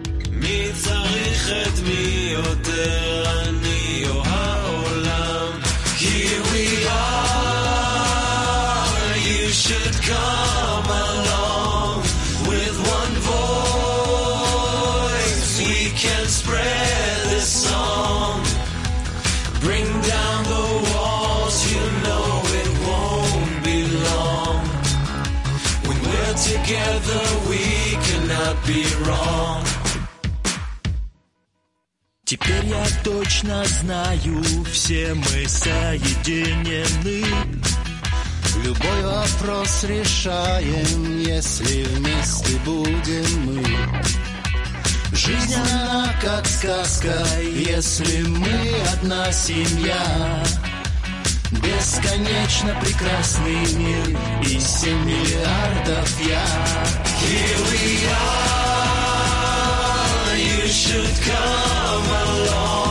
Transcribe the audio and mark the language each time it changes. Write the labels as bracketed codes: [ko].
[he] מי צריך את מי יותר, אני או העולם? [en] Here we are, you should come along. With one voice, we can spread this song. Bring down the walls, you know it won't be long. When we're together, we cannot be wrong. [ru] Теперь я точно знаю, все мы соединены. Любой вопрос решаем, если вместе будем мы. Жизнь она как сказка, если мы одна семья. Бесконечно прекрасный мир и 7 миллиардов я. [en] Here we are, you should come.